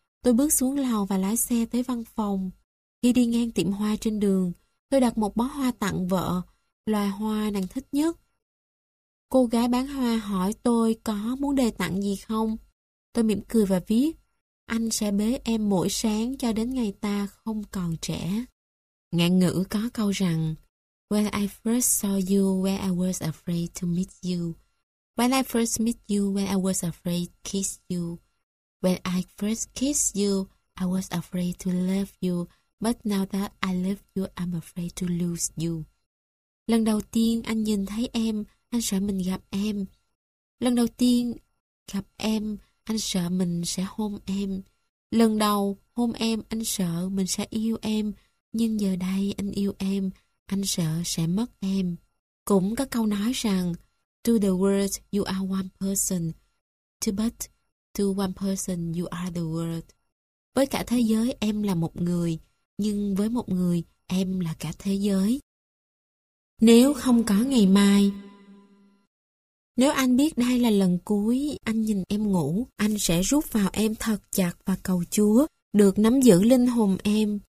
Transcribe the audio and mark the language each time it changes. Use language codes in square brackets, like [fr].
[vi] Tôi bước xuống lầu và lái xe tới văn phòng. Khi đi ngang tiệm hoa trên đường, tôi đặt một bó hoa tặng vợ, loài hoa nàng thích nhất. Cô gái bán hoa hỏi tôi có muốn đề tặng gì không. Tôi mỉm cười và viết, anh sẽ bế em mỗi sáng cho đến ngày ta không còn trẻ. Ngạn ngữ có câu rằng, [en] when I first saw you, when I was afraid to meet you. When I first met you, when I was afraid to kiss you. When I first kissed you, I was afraid to love you, but now that I love you, I'm afraid to lose you. [vi] Lần đầu tiên anh nhìn thấy em, anh sợ mình gặp em. Lần đầu tiên gặp em, anh sợ mình sẽ hôn em. Lần đầu hôn em, anh sợ mình sẽ yêu em. Nhưng giờ đây anh yêu em, anh sợ sẽ mất em. Cũng có câu nói rằng, [en] to the world, you are one person. To one person, you are the world. [vi] Với cả thế giới, em là một người. Nhưng với một người, em là cả thế giới. Nếu không có ngày mai. Nếu anh biết đây là lần cuối anh nhìn em ngủ, anh sẽ rút vào em thật chặt và cầu Chúa được nắm giữ linh hồn em.